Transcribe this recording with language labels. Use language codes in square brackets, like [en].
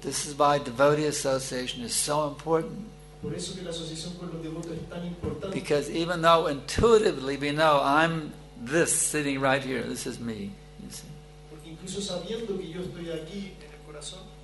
[en] This is why devotee association is so important. [es] Por eso que la asociación con los devotos es tan importante. [en] Because even though intuitively we know I'm this sitting right here, this is me. You see. [es] Porque incluso sabiendo que yo estoy aquí en el corazón,